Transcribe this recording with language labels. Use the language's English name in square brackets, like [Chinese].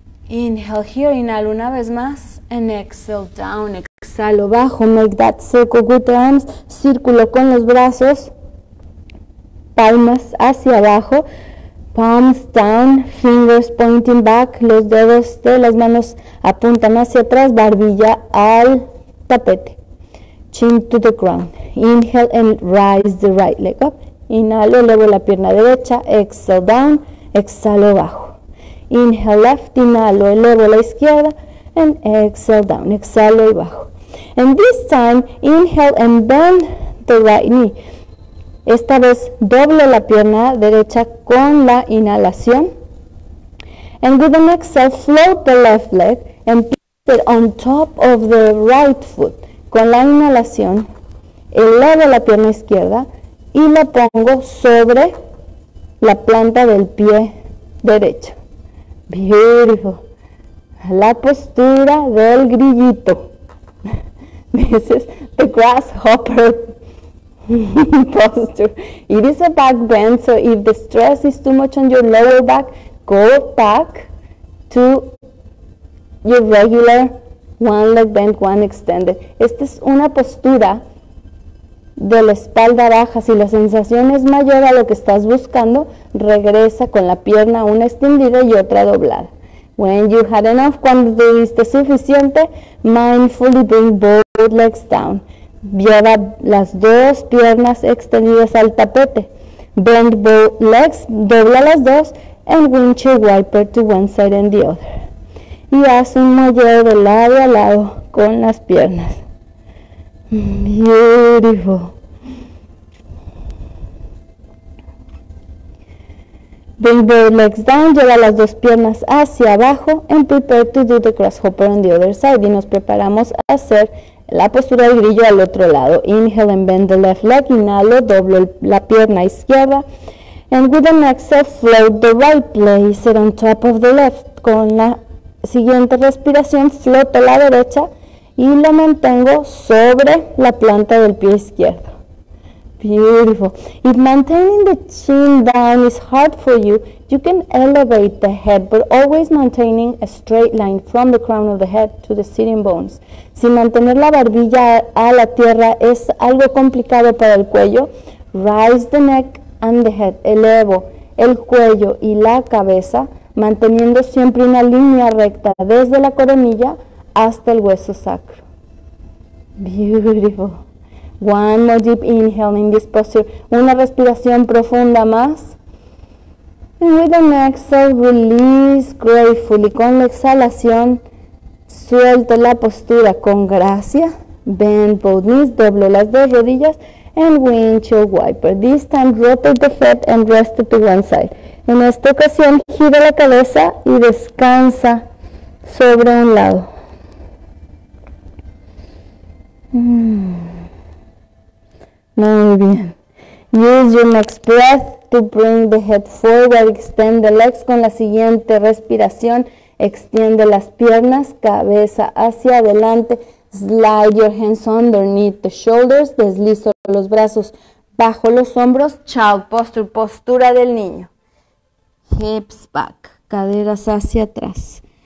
[English] Inhale here, [Spanish] inhalo una vez más, [English] and exhale down, [Spanish] exhalo bajo, [English] make that circle with the arms, [Spanish] círculo con los brazos, palmas hacia abajo, [English] palms down, fingers pointing back, [Spanish] los dedos de las manos apuntan hacia atrás, barbilla al tapete, [English] chin to the ground, inhale and rise the right leg up, [Spanish] inhalo, elevo la pierna derecha, [English] exhale down, [Spanish] exhalo bajo. [English] Inhale left, [Spanish] inhalo, elevo la izquierda, [English] and exhale down, [Spanish] exhalo y bajo. [English] And this time, inhale and bend the right knee. [Spanish] Esta vez doblo la pierna derecha con la inhalación. [English] And with an exhale, float the left leg and place it on top of the right foot. [Spanish] Con la inhalación, elevo la pierna izquierda y la pongo sobre la planta del pie derecho. [English] Beautiful. [Spanish] La postura del grillito. [English] This is the grasshopper posture. It is a back bend, so if the stress is too much on your lower back, go back to your regular one leg bend, one extended. [Spanish] Esta es una postura de la espalda baja. Si la sensación es mayor a lo que estás buscando, regresa con la pierna una extendida y otra doblada. [English] When you had enough, [Spanish] cuando tuviste suficiente, [English] mindfully bring both legs down. [Spanish] Lleva las dos piernas extendidas al tapete. [English] Bend both legs, [Spanish] dobla las dos, [English] and windshield wiper to one side and the other. [Spanish] Y haz un mayor de lado a lado con las piernas. [English] Beautiful. Bring both legs down, [Spanish] lleva las dos piernas hacia abajo, [English] and prepare to do the grasshopper on the other side. [Spanish] Y nos preparamos a hacer la postura del grillo al otro lado. [English] Inhale and bend the left leg, [Spanish] inhalo, doblo la pierna izquierda. [English] And with an exhale, float the right, place it on top of the left. [Spanish] Con la siguiente respiración, floto la derecha y lo mantengo sobre la planta del pie izquierdo. [English] Beautiful. If maintaining the chin down is hard for you, you can elevate the head, but always maintaining a straight line from the crown of the head to the sitting bones. [Spanish] Si mantener la barbilla a la tierra es algo complicado para el cuello, [English] rise the neck and the head. [Spanish] Elevo el cuello y la cabeza, manteniendo siempre una línea recta desde la coronilla hasta el hueso sacro. [English] Beautiful. One more deep inhale in this posture. [Spanish] Una respiración profunda más. [English] And with an exhale, release gratefully. [Spanish] Con la exhalación, suelto la postura con gracia. [English] Bend both knees, [Spanish] doblo las dos rodillas. [English] And windshield wiper. This time, rotate the head and rest it to one side. [Spanish] En esta ocasión, gira la cabeza y descansa sobre un lado. Muy bien. [English] Use your next breath to bring the head forward. Extend the legs. [Spanish] Con la siguiente respiración, extiende las piernas, cabeza hacia adelante. [English] Slide your hands underneath the shoulders. [Spanish] Deslizo los brazos bajo los hombros. [English] Child posture, [Spanish] postura del niño. [English] Hips back, [Spanish] caderas hacia atrás.